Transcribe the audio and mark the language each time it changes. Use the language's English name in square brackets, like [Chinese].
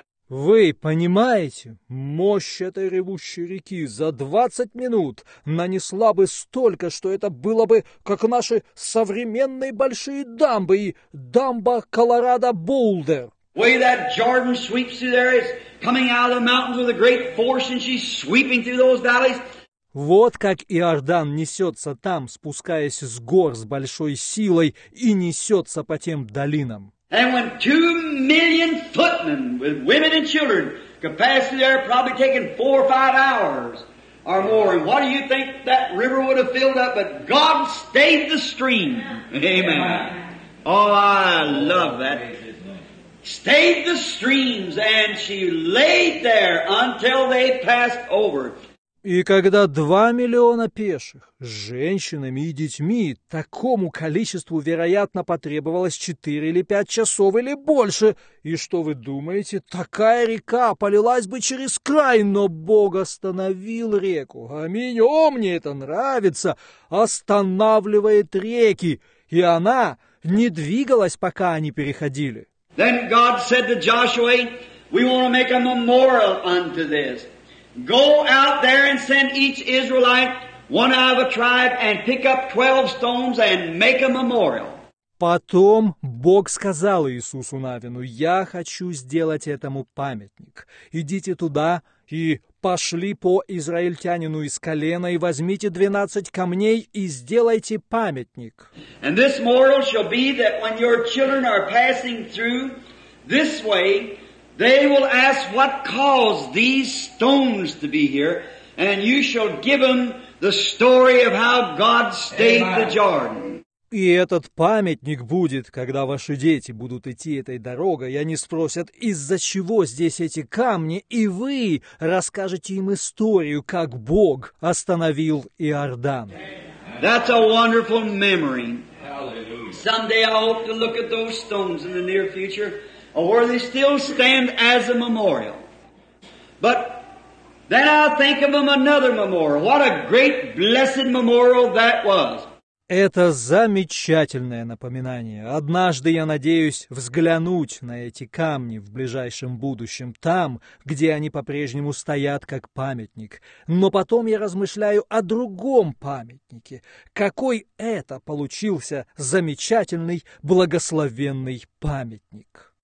[Russian] Вы понимаете, мощь этой ревущей реки за 20 минут нанесла бы столько, что это было бы, как наши современные большие дамбы и дамба Колорадо-Боулдер. [English] Way that Jordan sweeps through there is coming out of the mountains with a great force, and she's sweeping through those valleys. [Russian] Вот как Иордан несется там, спускаясь с гор с большой силой и несется по тем долинам. [English] And when 2 million footmen with women and children could pass through there, probably taking 4 or 5 hours or more, and what do you think that river would have filled up? But God stayed the stream. Amen. Oh, I love that. Stayed the streams, and she laid there until they passed over. [Russian] И когда 2 миллиона пеших, с женщинами и детьми, такому количеству, вероятно, потребовалось 4 или 5 часов или больше, и что вы думаете, такая река полилась бы через край, но Бог остановил реку. Аминь, о, мне это нравится, останавливает реки, и она не двигалась, пока они переходили. [English] Then God said to Joshua, we want to make a memorial unto this. Go out there and send each Israelite, one out of a tribe, and pick up 12 stones and make a memorial. [Russian] Потом Бог сказал Иисусу Навину, я хочу сделать этому памятник. Идите туда и пошли по израильтянину из колена и возьмите 12 камней и сделайте памятник. [English] And this memorial shall be that when your children are passing through this way, they will ask what caused these stones to be here, and you shall give them the story of how God stayed the Jordan. [Russian] И этот памятник будет, когда ваши дети будут идти этой дорогой, и они спросят, из-за чего здесь эти камни, и вы расскажете им историю, как Бог остановил Иордан. [English] That's a wonderful memory. Someday I hope to look at those stones in the near future, where they still stand as a memorial. But then I think of them another memorial. What a great blessed memorial that was. [Russian] Это замечательное напоминание. Однажды я надеюсь взглянуть на эти камни в ближайшем будущем, там, где они по-прежнему стоят как памятник. Но потом я размышляю о другом памятнике. Какой это получился замечательный, благословенный памятник?